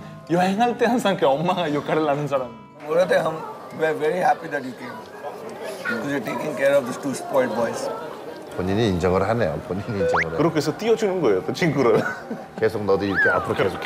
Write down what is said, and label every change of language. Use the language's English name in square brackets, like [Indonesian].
[Korean] 여행할 때 항상 그 엄마가 역할을 하는 사람. 오늘 때 함. [English] We're very happy that you came. Because you're taking care of these two spoiled boys. [Korean] 본인이 인정을 하네요. 본인이 인정을. 그렇게 해서 띄워주는 거예요. 그 친구를. 계속 너도 이렇게 앞으로 계속